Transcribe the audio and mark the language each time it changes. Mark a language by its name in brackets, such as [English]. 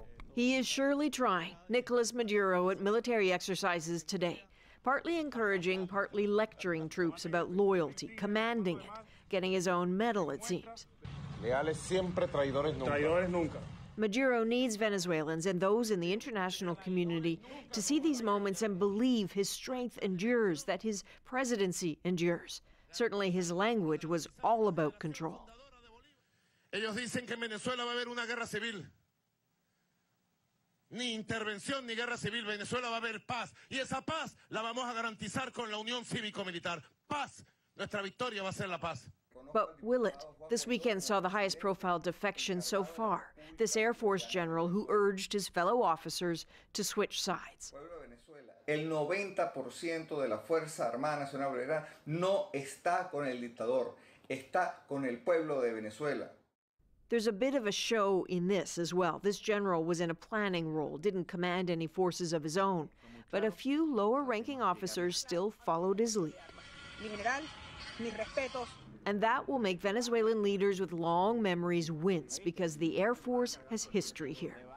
[English] He is surely trying, Nicolas Maduro, at military exercises today, partly encouraging, partly lecturing troops about loyalty, commanding it, getting his own medal, it seems. [Spanish] Leales siempre, traidores nunca. Traidores nunca. [English] Maduro needs Venezuelans and those in the international community to see these moments and believe his strength endures, that his presidency endures. Certainly his language was all about control. [Spanish] Ellos dicen que en Venezuela va a haber una guerra civil. ni intervención ni guerra civil. Venezuela va a haber paz. Y esa paz la vamos a garantizar con la unión cívico-militar. Paz. Nuestra victoria va a ser la paz. [English] But will it? This weekend saw the highest profile defection so far. This Air Force general who urged his fellow officers to switch sides. [Spanish] El 90% de la Fuerza Armada Nacional Obrera no está con el dictador, está con el pueblo de Venezuela. [English] There's a bit of a show in this as well. This general was in a planning role, didn't command any forces of his own, but a few lower-ranking officers still followed his lead. [Spanish] Mi general, mis respetos. [English] And that will make Venezuelan leaders with long memories wince, because the Air Force has history here.